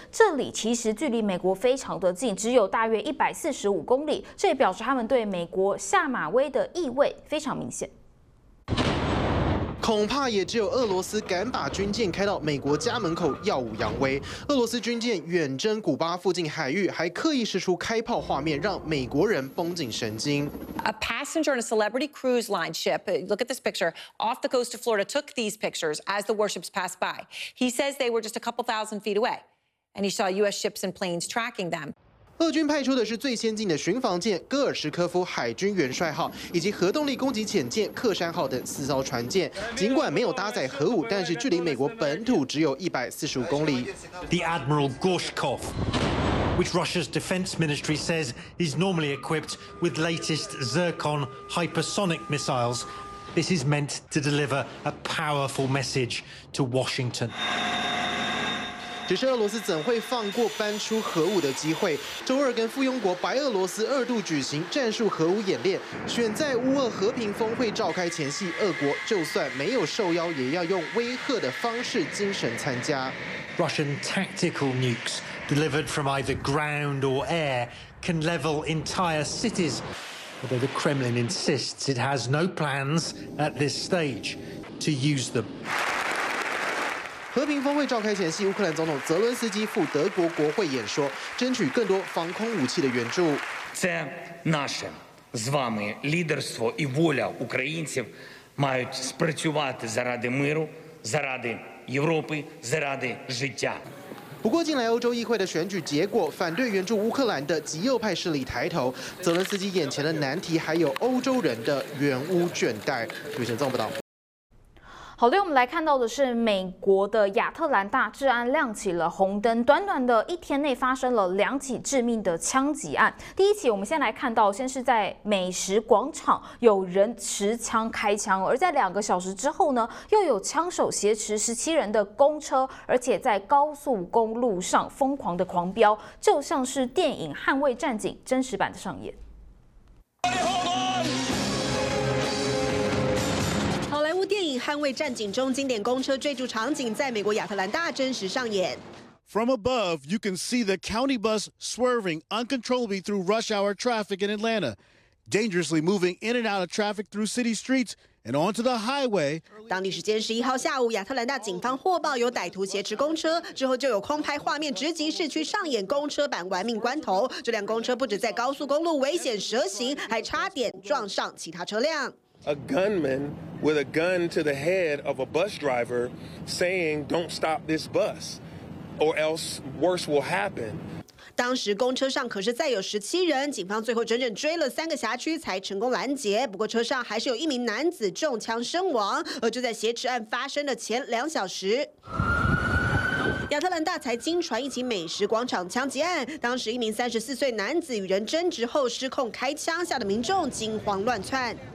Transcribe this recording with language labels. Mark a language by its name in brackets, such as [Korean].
[Chinese] 这里其实距离美国非常的近，只有大约145公里，这也表示他们对美国下马威的意味非常明显。恐怕也只有俄罗斯敢把军舰开到美国家门口耀武扬威。俄罗斯军舰远征古巴附近海域，还刻意释出开炮画面，让美国人绷紧神经。 [English] A passenger on a celebrity cruise line ship, look at this picture, off the coast of Florida, took these pictures as the warships passed by. He says they were just a couple thousand feet away, and he saw U.S. ships and planes tracking them. [Chinese] 俄军派出的是最先进的巡防舰戈尔什科夫海军元帅号，以及核动力攻击潜舰克山号等4艘船舰。尽管没有搭载核武，但是距离美国本土只有145公里。 [English] The Admiral Gorshkov, which Russia's Defense Ministry says is normally equipped with latest Zircon hypersonic missiles, this is meant to deliver a powerful message to Washington. [Chinese] 只是俄罗斯怎会放过搬出核武的机会？周二跟附庸国白俄罗斯二度举行战术核武演练，选在乌俄和平峰会召开前夕，俄国就算没有受邀，也要用威吓的方式精神参加。 [English] Russian tactical nukes delivered from either ground or air can level entire cities, although the Kremlin insists it has no plans at this stage to use them. [Chinese] 和平峰会召开前夕，乌克兰总统泽伦斯基赴德国国会演说，争取更多防空武器的援助。 [Ukrainian] Це наше з вами лідерство і воля українців мають спрацювати заради миру, заради Європи, заради життя. [Chinese] 不过近来欧洲议会的选举结果，反对援助乌克兰的极右派势力抬头，泽伦斯基眼前的难题还有欧洲人的援乌倦怠。吕晨综合报道。好的，我们来看到的是美国的亚特兰大治安亮起了红灯，短短的一天内发生了两起致命的枪击案。第一起我们先来看到，先是在美食广场有人持枪开枪，而在两个小时之后呢，又有枪手挟持17人的公车，而且在高速公路上疯狂的狂飙，就像是电影《捍卫战警》真实版的上演。捍卫战警中经典公车追逐场景在美国亚特兰大真实上演。 [English] From above, you can see the county bus swerving uncontrollably through rush hour traffic in Atlanta, dangerously moving in and out of traffic through city streets and onto the highway. [Chinese] 当地时间十一号下午，亚特兰大警方获报有歹徒挟持公车，之后就有空拍画面直击市区上演公车版玩命关头。这辆公车不止在高速公路危险蛇行，还差点撞上其他车辆。 [English] A gunman with a gun to the head of a bus driver saying, don't stop this bus, or else worse will happen. [Chinese] 当时公车上可是载有17人，警方最后整整追了三个辖区才成功拦截。不过车上还是有一名男子中枪身亡，而就在挟持案发生的前两小时。亚特兰大才惊传一起美食广场枪击案，当时一名34岁男子与人争执后失控开枪，吓得民众惊慌乱窜。